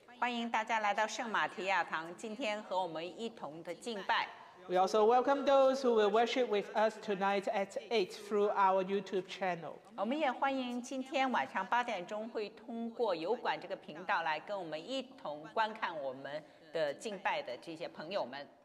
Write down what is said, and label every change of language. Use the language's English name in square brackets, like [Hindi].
[Chinese] 欢迎大家来到圣马提亚堂，今天和我们一同的敬拜。 [English] We also welcome those who will worship with us tonight at 8 through our YouTube channel. [Chinese] 我们也欢迎今天晚上八点钟会通过油管这个频道来跟我们一同观看我们的敬拜的这些朋友们。